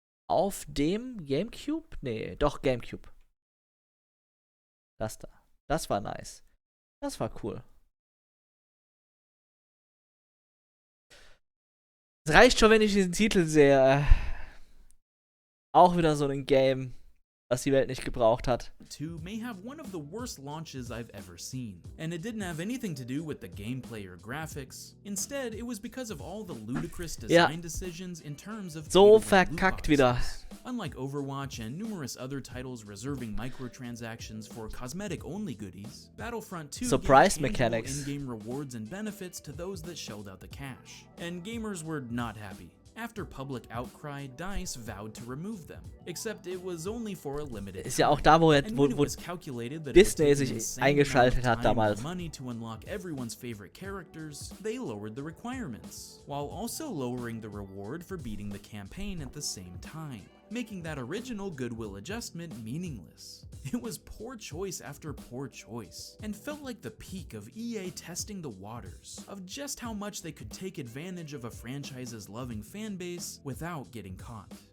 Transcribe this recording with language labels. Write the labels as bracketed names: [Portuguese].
[German] Auf dem GameCube? Nee, doch GameCube. Das da. Das war nice. Das war cool. Es reicht schon, wenn ich diesen Titel sehe. Auch wieder so ein Game, was die Welt nicht gebraucht hat. [English] Two may have one of the worst launches I've ever seen, and it didn't have anything to do with the gameplay or graphics. Instead, it was because of all the ludicrous design decisions in terms of [German] so verkackt wieder. [English] Unlike Overwatch and numerous other titles reserving microtransactions for cosmetic-only goodies, Battlefront 2 surprise mechanics in-game rewards and benefits to those that shelled out the cash, and gamers were not happy. After public outcry, DICE vowed to remove them. Except it was only for a limited time. [German] Ist ja auch da, wo Disney sich eingeschaltet hat damals. [English] Money to unlock everyone's favorite characters, they lowered the requirements, while also lowering the reward for beating the campaign at the same time, making that original goodwill adjustment meaningless. It was poor choice after poor choice, and felt like the peak of EA testing the waters of just how much they could take advantage of a franchise's loving fanbase without getting caught.